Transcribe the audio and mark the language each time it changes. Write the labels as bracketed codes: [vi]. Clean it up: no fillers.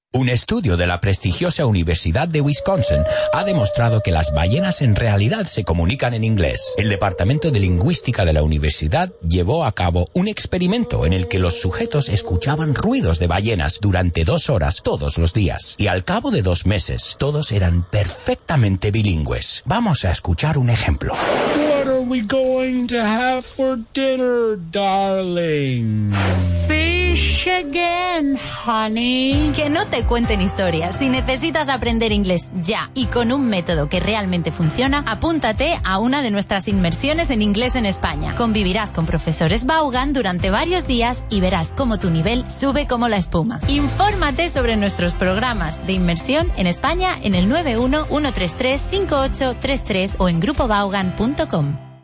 [es] Un estudio de la prestigiosa Universidad de Wisconsin ha demostrado que las ballenas en realidad se comunican en inglés. El Departamento de Lingüística de la Universidad llevó a cabo un experimento en el que los sujetos escuchaban ruidos de ballenas durante 2 horas todos los días. Y al cabo de 2 meses, todos eran perfectamente bilingües. Vamos a escuchar un ejemplo. [en] What are we going to have for dinner, darling? Fish again, honey. [es] Que no te cuenten historias. Si necesitas aprender inglés ya y con un método que realmente funciona, apúntate a una de nuestras inmersiones en inglés en España. Convivirás con profesores Vaughan durante varios días y verás cómo tu nivel sube como la espuma. Infórmate sobre nuestros programas de inmersión en España en el 91-133-5833 o en grupovaughan.com.